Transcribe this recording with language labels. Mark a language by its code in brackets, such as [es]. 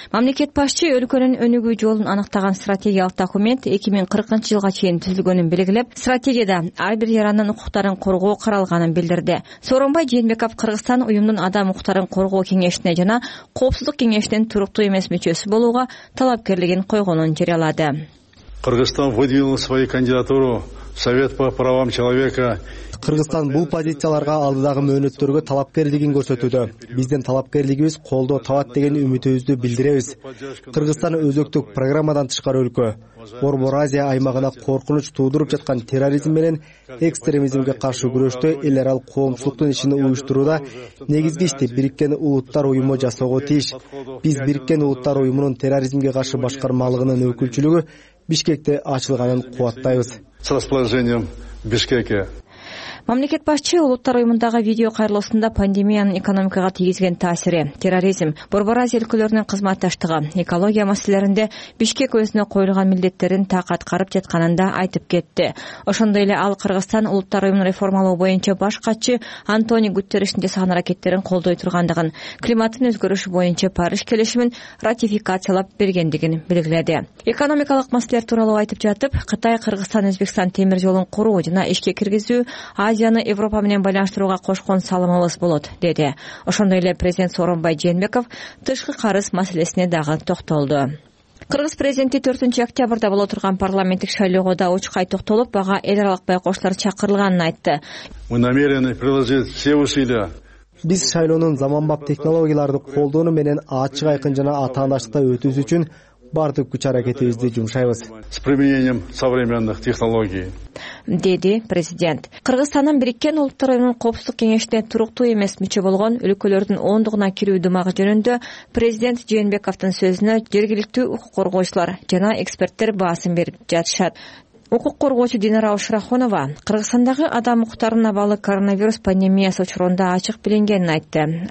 [ky] Мамлекет башчы өлкөнүн өнүгүү жолун аныктаган стратегиялык документ 2040 жылга чейин түзүлгөнүн белгилеп, стратегияда ар бир жарандын укуктарын коргоо каралганын билдирди. Сооронбай Жээнбеков Кыргызстан уюмдун адам укуктарын коргоо кеңешине жана коопсуздук кеңешинин туруктуу эмес мүчөсү болууга талапкерлигин койгонун жарыялады. [ru] Кыргызстан выдвинул свою кандидатуру в Совет по правам человека. [ky] Кыргызстан бул позицияларга алдыдагы мөөнөттөргө талапкерлигин көрсөтүүдө. Биздин талапкерлигибиз колдоо табат деген үмүтүбүздү билдиребиз. Кыргызстан өзөктүк программадан тышкары өлкө. Борбор Азия аймагына коркунуч туудуруп жаткан терроризм менен экстремизмге каршы күрөштө эл аралык коомчулуктун ишин уюштурууда негизги ишти Бириккен Улуттар Уюму жасоого тийиш. Биз Бириккен Улуттар Уюмунун терроризмге каршы башкармалыгынын өкүлчүлүгү Бишкекте ачылганын кубаттайбыз. [ru] С расположением в Бишкеке. [ky] Мамлекет башчы Улуттар Уюмундагы видео кайрылуусунда пандемиянын экономикага тийгизген таасири, терроризм, Борбор Азия өлкөлөрүнүн кызматташтыгы, экология маселелеринде Бишкек өзүнө коюлган милдеттерин так аткарып жатканын да айтып кетти. Ошондой эле ал Кыргызстан Улуттар Уюмун реформалоо боюнча баш катчы Антони Гутерриштин жасаган аракеттерин колдой тургандыгын, климаттын өзгөрүшү боюнча Париж келишимин ратификациялап бергендигин белгиледи. Экономикалык маселелер тууралуу айтып жатып, Кытай Кыргызстан Өзбекстан темир жолун куруу жана ишке киргизүү Азияны Европа менен байланыштырууга кошкон салымыбыз болот, деди. Ошондой эле президент Сооронбай Жээнбеков тышкы карыз маселесине дагы токтолду. Кыргыз президенти 4 октябрда боло турган парламенттик шайлоого да учкай токтолуп, ага эл аралык байкоочулар чакырылганын айтты. [ru] Мы намерены приложить все усилия. [ky] Биз шайлоонун заманбап технологияларды колдонуу менен ачык, айкын жана атаандаштыкта өтүүсү үчүн бардык күч аракетибизди жумшайбыз. [ru] С применением современных технологий. [ky] Деди президент. Кыргызстандын Бириккен Улуттар Уюмунун Коопсуздук Кеңешине туруктуу эмес мүчө болгон өлкөлөрдүн ондугуна кирүү дымагы жөнүндө президент Жээнбековдун сөзүнө жергиликтүү укук коргоочулар жана эксперттер баасын берип жатышат. Укук коргоочу Динара Ушрахонова Кыргызстандагы адам укуктарынын абалы коронавирус пандемиясы учурунда ачык билингенин айтты.